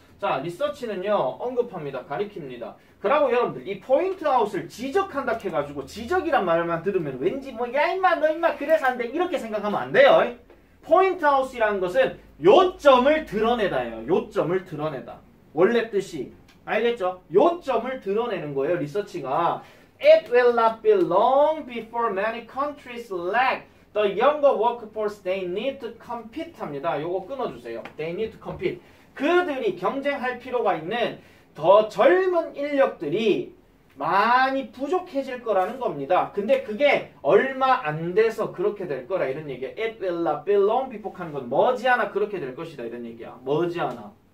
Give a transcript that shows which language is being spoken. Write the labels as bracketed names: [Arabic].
[Korean] 자, 리서치는요, 언급합니다. 가리킵니다. 그러고 여러분들, 이 포인트 아웃을 지적한다 해가지고, 지적이란 말만 들으면 왠지 뭐, 야, 임마, 너 임마, 그래서 안 돼. 이렇게 생각하면 안 돼요. 포인트 아웃이라는 것은 요점을 드러내다예요. 요점을 드러내다. 원래 뜻이. 알겠죠? 요점을 드러내는 거예요, 리서치가. [English] It will not be long before many countries lack the younger workforce they need to compete [Korean] 합니다. 요거 끊어주세요. [English] They need to compete. [Korean] 그들이 경쟁할 필요가 있는 더 젊은 인력들이 많이 부족해질 거라는 겁니다. 근데 그게 얼마 안 돼서 그렇게 될 거라 이런 얘기야. [English] It will not be long before [Korean] 하는 건 머지않아 그렇게 될 것이다 이런 얘기야. 머지않아.